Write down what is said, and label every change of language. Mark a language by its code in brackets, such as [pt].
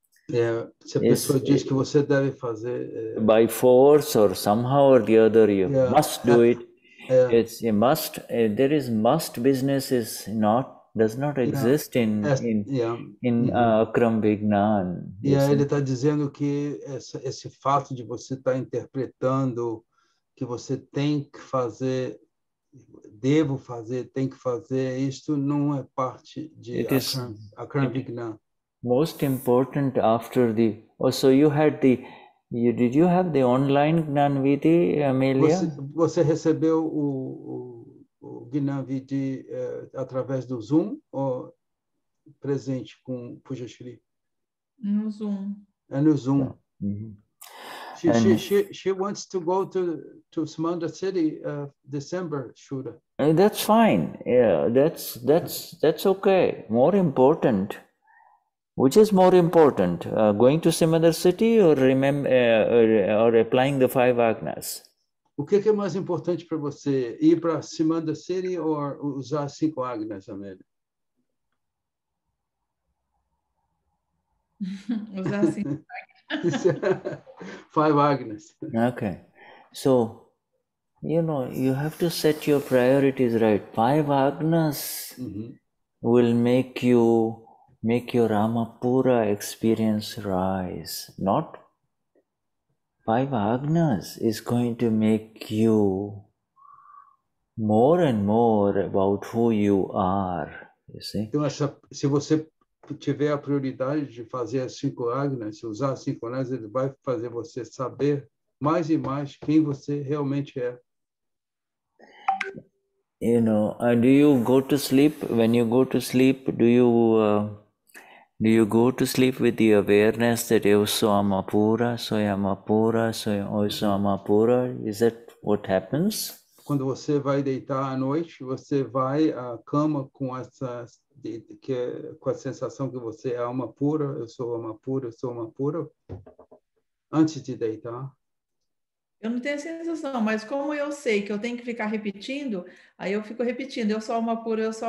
[en] By force or somehow or the other, must do it. Yeah. It's a must. There is must business is not, does not exist in Akram Vignan. [pt] Yeah, ele está dizendo que esse fato de você estar interpretando que você tem que fazer. Devo fazer, tem que fazer, isto não é parte de Akram Vignan. [en] Most important after the... Oh, so you had the... Did you have the online Gnan Vidhi, Amélia? [pt] Você recebeu o Gnan Vidhi através do Zoom ou presente com Puja Shri? No Zoom. É no Zoom. Mm-hmm. [en] She wants to go to Sumandra City December, Shuddha. That's fine. Yeah, that's okay. More important, which is more important, going to Sumandra City or remember or applying the five agnas? [pt] O que é mais importante para você, ir para Sumandra City [en] or [pt] usar cinco agnas, Amélia? Usar cinco agnas. [en] Five Agnes. Okay. So, you have to set your priorities right. Five Agnes will make your Ramapura experience rise. Not five Agnes is going to make you more and more about who you are. You see? [pt] Tiver a prioridade de fazer as cinco agnas, usar as cinco agnas, ele vai fazer você saber mais e mais quem você realmente é. [en] You know, do you go to sleep? When you go to sleep, do you go to sleep with the awareness that [pt] eu sou alma pura, [en] sou alma pura, sou alma pura? Is that what happens? [pt] Quando você vai deitar à noite, você vai à cama com essas com a sensação que você é alma pura, eu sou alma pura, antes de deitar? Eu não tenho essa sensação, mas como eu sei que eu tenho que ficar repetindo, aí eu fico repetindo, eu sou alma pura,